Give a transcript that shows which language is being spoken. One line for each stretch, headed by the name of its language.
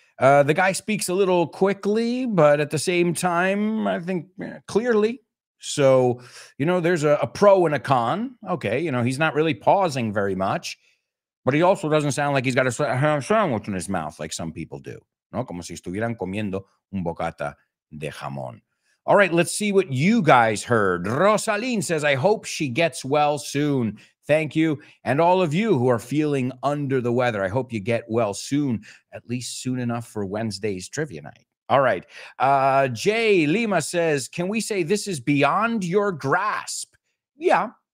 English: The guy speaks a little quickly, but at the same time, I think clearly. So, you know, there's a pro and a con. Okay, you know, he's not really pausing very much, but he also doesn't sound like he's got a ham sandwich in his mouth like some people do.
Spanish: No, como si estuvieran comiendo un bocata de jamón.
English: All right, let's see what you guys heard. Rosaline says, I hope she gets well soon. Thank you. And all of you who are feeling under the weather, I hope you get well soon, at least soon enough for Wednesday's trivia night. All right. Jay Lima says, can we say this is beyond your grasp? Yeah.